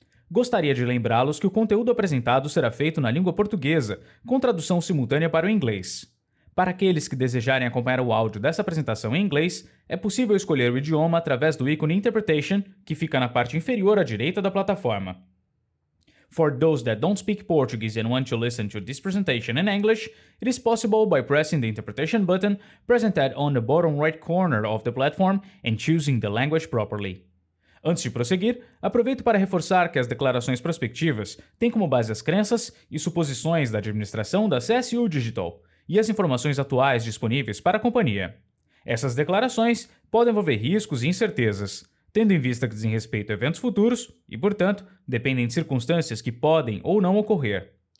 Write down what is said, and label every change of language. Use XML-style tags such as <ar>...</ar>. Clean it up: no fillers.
<pt>Gostaria de lembrá-los que o conteúdo apresentado será feito na língua portuguesa, com tradução simultânea para o inglês. Para aqueles que desejarem acompanhar o áudio dessa apresentação em inglês, é possível escolher o idioma através do ícone Interpretation, que fica na parte inferior à direita da plataforma.</pt> <en>For those that don't speak Portuguese and want to listen to this presentation in English, it is possible by pressing the interpretation button presented on the bottom right corner of the platform and choosing the language properly.</en> <pt>Antes de prosseguir, aproveito para reforçar que as declarações prospectivas têm como base as crenças e suposições da administração da CSU Digital e as informações atuais disponíveis para a companhia. Essas declarações podem envolver riscos e incertezas, tendo em vista que dizem respeito a eventos futuros e, portanto, dependem de circunstâncias que podem ou não ocorrer.</pt>